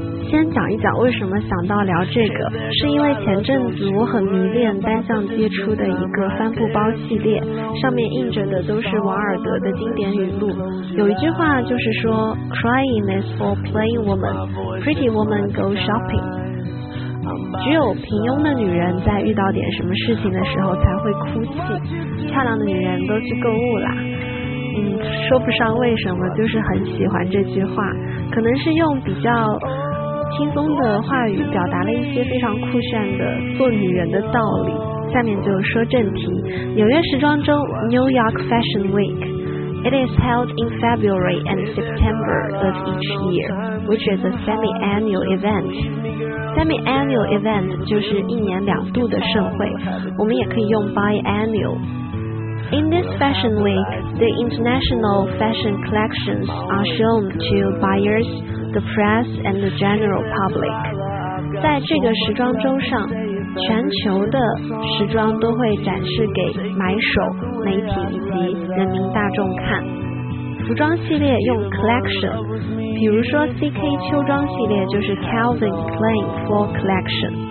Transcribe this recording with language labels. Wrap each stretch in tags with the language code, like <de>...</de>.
<zh>先讲一讲为什么想到聊这个，是因为前阵子我很迷恋单向接出的一个帆布包系列，上面印着的都是王尔德的经典语录。有一句话就是说</zh> <en>Crying is for plain woman, pretty woman go shopping。</en> <zh>只有平庸的女人在遇到点什么事情的时候才会哭泣，漂亮的女人都去购物啦。说不上为什么，就是很喜欢这句话，可能是用比较轻松的话语表达了一些非常酷炫的做女人的道理。下面就说正题，纽约时装周 New York Fashion Week。</zh> <en>It is held in February and September of each year, which is a semi-annual event.</en> <zh>Semi-annual event 就是一年两度的盛会，我们也可以用 biannual.</zh> <en>In this fashion week, the international fashion collections are shown to buyers, the press, and the general public.</en> <zh>在这个时装周上，全球的时装都会展示给买手、媒体以及人民大众看。服装系列用 collection， 比如说 CK 秋装系列就是 Calvin Klein Fall Collection。</zh>